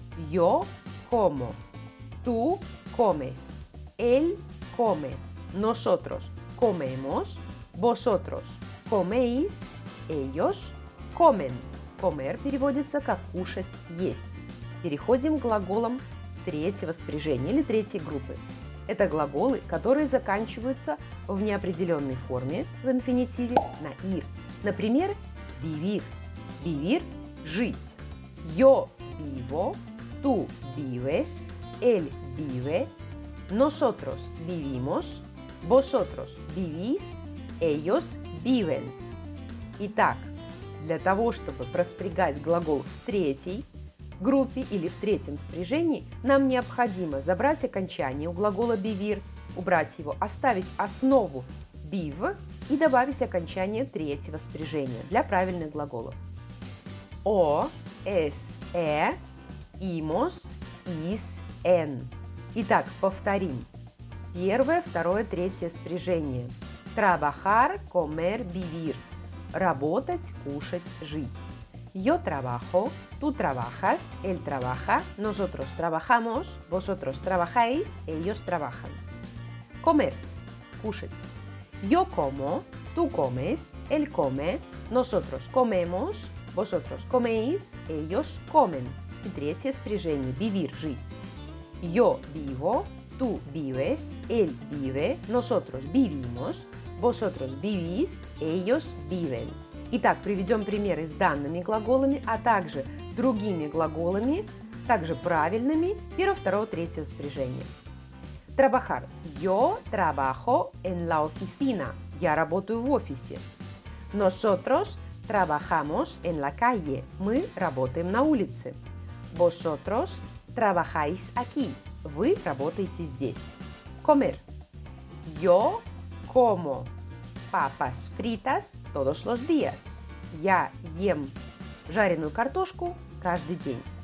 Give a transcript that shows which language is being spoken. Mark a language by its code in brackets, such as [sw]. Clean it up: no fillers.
[es] Yo como, tú comes, él come, nosotros comemos, vosotros coméis, ellos comen. [ru] Comer переводится как кушать, есть. Переходим к глаголам третьего спряжения или третьей группы. Это глаголы, которые заканчиваются в неопределенной форме в инфинитиве на ir. Например, vivir. Vivir – жить. [es] Yo vivo, tú vives, él vive, nosotros vivimos, vosotros vivís, ellos viven. [ru] Итак, для того, чтобы проспрягать глагол в третьей группе или в третьем спряжении, нам необходимо забрать окончание у глагола vivir, убрать его, оставить основу vive и добавить окончание третьего спряжения для правильных глаголов. [es] O, S, E, imos, is, n. [ru] Итак, повторим. Первое, второе, третье спряжение. [es] Trabajar, comer, vivir. [ru] Работать, кушать, жить. [es] Yo trabajo, tú trabajas, él trabaja, nosotros trabajamos, vosotros trabajáis, ellos trabajan. [ru] Comer, кушать. [es] Yo como, tú comes, él come, nosotros comemos, vosotros coméis, ellos comen. [ru] И третье спряжение. Vivir, жить. [es] Yo vivo, tú vives, él vive, nosotros vivimos, vosotros vivís, ellos viven. [ru] Итак, приведем примеры с данными глаголами, а также другими глаголами, также правильными, первого, второго, третьего спряжения. [es] Trabajar. Yo trabajo en la oficina. [ru] Я работаю в офисе. [es] Nosotros trabajamos en la calle. [ru] Мы работаем на улице. [es] Vosotros trabajáis aquí. [ru] Вы работаете здесь. Comer. [es] Yo como papas fritas todos los días. [ru] Я ем жареную картошку каждый день.